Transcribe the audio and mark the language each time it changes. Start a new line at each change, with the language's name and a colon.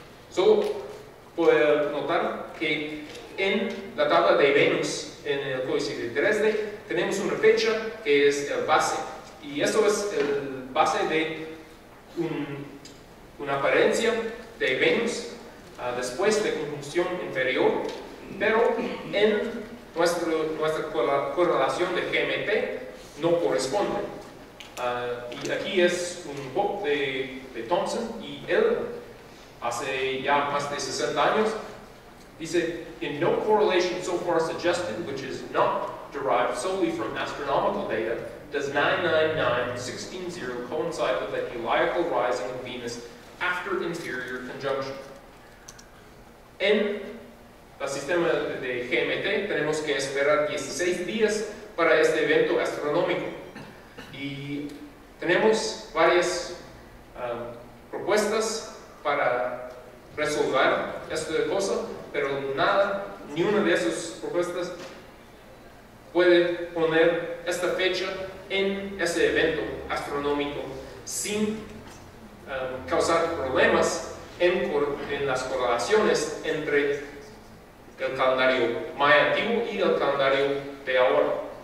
Spanish: Solo puedo notar que en la tabla de Venus en el Códice de Dresde tenemos una fecha que es el base, y eso es el base de una apariencia de Venus después de conjunción inferior, pero en nuestra correlación de GMT no corresponde. Y aquí es un book de Thompson, y él hace ya más de 60 años dice:
English: "In no correlation so far suggested, which is not derived solely from astronomical data, does 999-160 coincide with the heliacal rising of Venus after interior conjunction?
Spanish: En la sistema de GMT tenemos que esperar 16 días para este evento astronómico. Y tenemos varias propuestas para resolver esto de cosa, pero nada, ni una de esas propuestas puede poner esta fecha en ese evento astronómico sin causar problemas en las correlaciones entre el calendario maya antiguo y el calendario de ahora.